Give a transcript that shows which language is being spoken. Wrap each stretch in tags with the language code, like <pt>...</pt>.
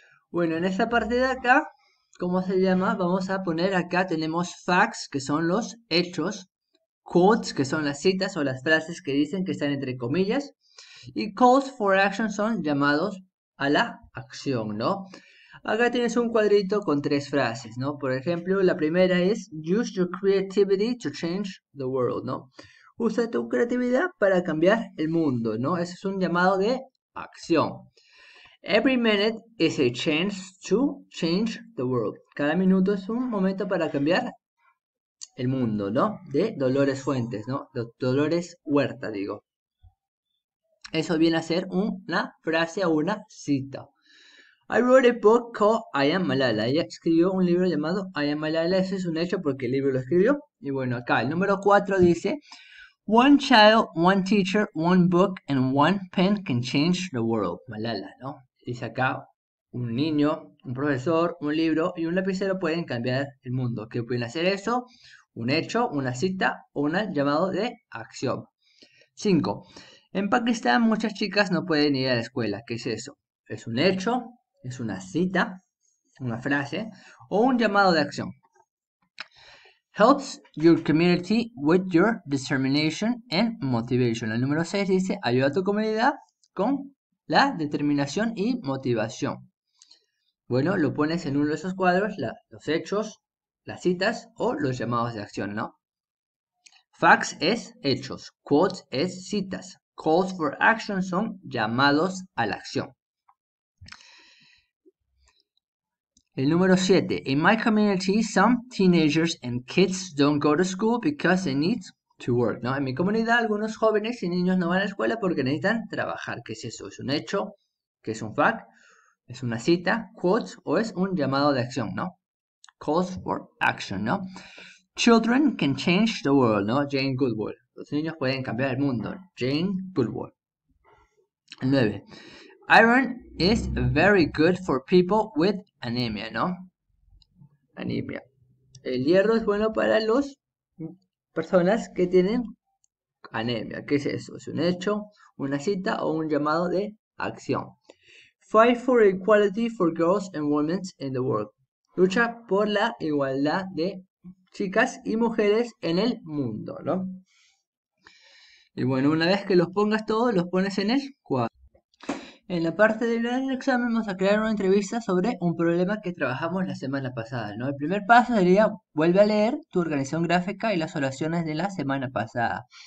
<es>Bueno, en esta parte de acá, ¿cómo se llama? Vamos a poner acá, tenemos facts, que son los hechos, quotes, que son las citas o las frases que dicen que están entre comillas, y calls for action son llamados a la acción, ¿no? Acá tienes un cuadrito con tres frases, ¿no? Por ejemplo, la primera es</es> <en>use your creativity to change the world,</en> <es>¿no? Usa tu creatividad para cambiar el mundo, ¿no? Ese es un llamado de acción.</es> <en>Every minute is a chance to change the world.</en> <es>Cada minuto es un momento para cambiar el mundo, ¿no? De Dolores Fuentes, ¿no? De Dolores Huerta, digo. Eso viene a ser una frase o una cita.</es> <en>I wrote a book called I Am Malala.</en> <es>Ella escribió un libro llamado I Am Malala. Ese es un hecho porque el libro lo escribió. Y bueno, acá el número 4 dice:</es> <en>One child, one teacher, one book and one pen can change the world. Malala, ¿no?</en> <es>Dice acá: un niño, un profesor, un libro y un lapicero pueden cambiar el mundo. ¿Qué pueden hacer eso? Un hecho, una cita o un llamado de acción. 5. En Pakistán muchas chicas no pueden ir a la escuela. ¿Qué es eso? ¿Es un hecho? ¿Es una cita? ¿Una frase? ¿O un llamado de acción?</es> <en>Helps your community with your determination and motivation.</en> <es>El número 6 dice: ayuda a tu comunidad con la determinación y motivación. Bueno, lo pones en uno de esos cuadros, los hechos, las citas o los llamados de acción, ¿no? Facts es hechos, quotes es citas, calls for action son llamados a la acción. El número 7.</es> <en>In my community, some teenagers and kids don't go to school because they need to work, ¿no?</en> <es>En mi comunidad, algunos jóvenes y niños no van a la escuela porque necesitan trabajar. ¿Qué es eso? ¿Es un hecho? ¿Qué es un fact? ¿Es una cita? ¿Quotes? ¿O es un llamado de acción, no? Calls for action, ¿no?</es> <en>Children can change the world,</en> <es>¿no? Jane Goodall. Los niños pueden cambiar el mundo. Jane Goodall. 9.</es> <en>Iron is very good for people with anemia, ¿no? Anemia.</en> <es>El hierro es bueno para las personas que tienen anemia. ¿Qué es eso? ¿Es un hecho, una cita o un llamado de acción?</es> <en>Fight for equality for girls and women in the world.</en> <es>Lucha por la igualdad de chicas y mujeres en el mundo, ¿no? Y bueno, una vez que los pongas todos, los pones en el cuadro. En la parte del gran examen vamos a crear una entrevista sobre un problema que trabajamos la semana pasada, ¿no? El primer paso sería, vuelve a leer tu organización gráfica y las oraciones de la semana pasada.</es>